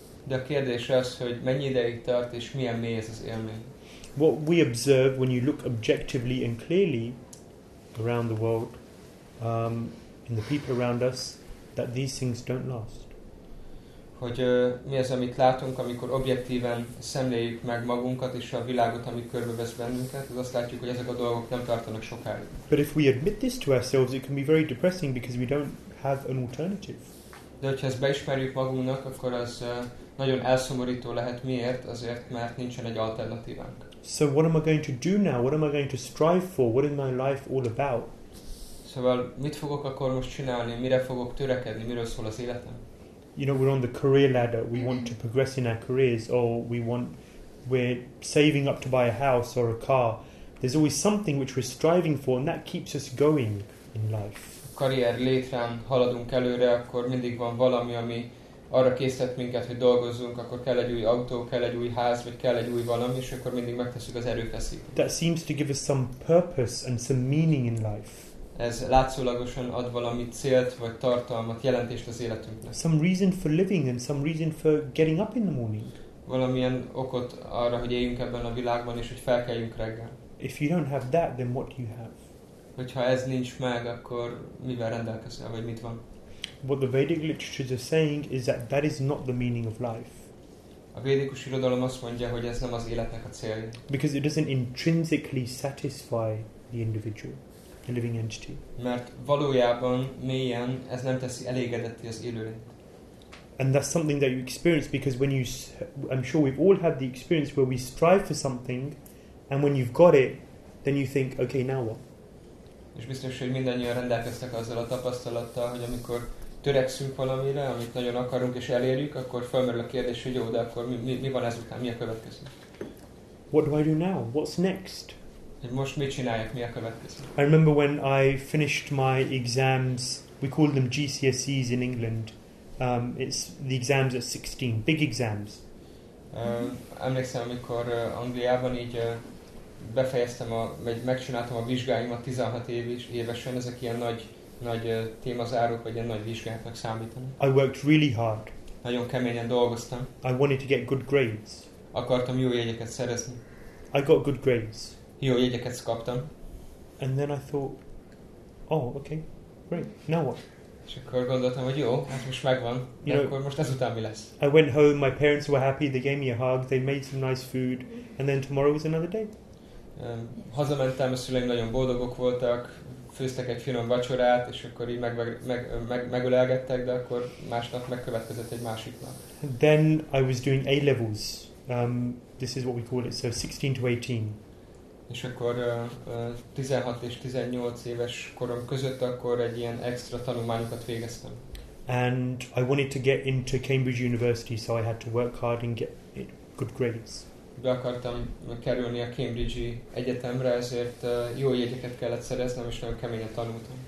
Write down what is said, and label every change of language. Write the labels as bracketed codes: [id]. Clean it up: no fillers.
[hu] De a kérdés az, hogy mennyi ideig tart és milyen mély ez az élmény. [en] What we observe when you look objectively and clearly around the world, in the people around us, that these things don't last. [hu] Hogy mi az, amit látunk, amikor objektíven szemléljük meg magunkat és a világot, ami körbevesz bennünket, az azt látjuk, hogy ezek a dolgok nem tartanak sokáig. [en] But if we admit this to ourselves, it can be very depressing because we don't have an alternative. [hu] De hogyha ezt beismerjük magunknak, akkor az nagyon elszomorító lehet. Miért? Azért, mert nincsen egy alternatívánk. [en] So what am I going to do now? What am I going to strive for? What is my life all about? [hu] Szóval mit fogok akkor most csinálni? Mire fogok törekedni? Miről szól az életem? [en] You know, we're on the career ladder, we want to progress in our careers, or we're saving up to buy a house or a car. There's always something which we're striving for, and that keeps us going in life. [hu] A karrier létrán haladunk előre, akkor mindig van valami, ami arra készített minket, hogy dolgozzunk, akkor kell egy új autó, kell egy új ház, vagy kell egy új valami, és akkor mindig megteszük az erőfeszítést. [en] That seems to give us some purpose and some meaning in life. [hu] Ez látszólagosan ad valami célt vagy tartalmat, jelentést az életünknek. [en] Some reason for living and some reason for getting up in the morning. [hu] Valamilyen okot arra, hogy éljünk ebben a világban és hogy felkeljünk reggel. [en] If you don't have that, then what do you have? [hu] Hogyha ez nincs meg, akkor mivel rendelkezel, vagy mit van? [en] What the Vedic literatures are saying is that that is not the meaning of life. [hu] A védikus irodalom azt mondja, hogy ez nem az életnek a célja. [en] Because it doesn't intrinsically satisfy the individual. A living entity. [hu] Mert valójában mélyen ez nem teszi elégedetté az élőlényt. [en] And that's something that you experience because when you, I'm sure we've all had the experience where we strive for something, and when you've got it, then you think, okay, now what? [hu] És biztos, hogy mindannyian rendelkeztek azzal a tapasztalattal, hogy amikor törekszünk valamire, amit nagyon akarunk és elérjük, akkor felmerül a kérdés, hogy jó, de akkor mi van ezután, mi a következő? [en] What do I do now? What's next? [hu] Most mit csináljak, mi a következő? [en] I remember when I finished my exams, we call them GCSEs in England. It's the exams at 16, big exams. [hu] Emlékszem, amikor Angliában így befejeztem, vagy megcsináltam a vizsgáimat 16 évesen, ezek ilyen nagy témazárok, vagy ilyen nagy vizsgáknak számítanak. [en] I worked really hard. [hu] Nagyon keményen dolgoztam. [en] I wanted to get good grades. [hu] Akartam jó jegyeket szerezni. [en] I got good grades. [hu] Jó jegyeket kaptam. [en] And then I thought, oh, okay, great, now what? [hu] És akkor gondoltam, hogy jó, hát most megvan, de akkor most ezután mi lesz? [en] I went home, my parents were happy, they gave me a hug, they made some nice food, and then tomorrow was another day. [hu] Hazamentem, a szüleim nagyon boldogok voltak, főztek egy finom vacsorát, és akkor így megölelgettek, de akkor másnap megkövetkezett egy másik nap. [en] Then I was doing A-levels. This is what we call it, so 16 to 18. [hu] És akkor 16 és 18 éves korom között akkor egy ilyen extra tanulmányokat végeztem. [en] And I wanted to get into Cambridge University, so I had to work hard and get good grades. [hu] Be akartam kerülni a Cambridge-i egyetemre, ezért jó jegyeket kellett szereznem, és nagyon keményen tanultam.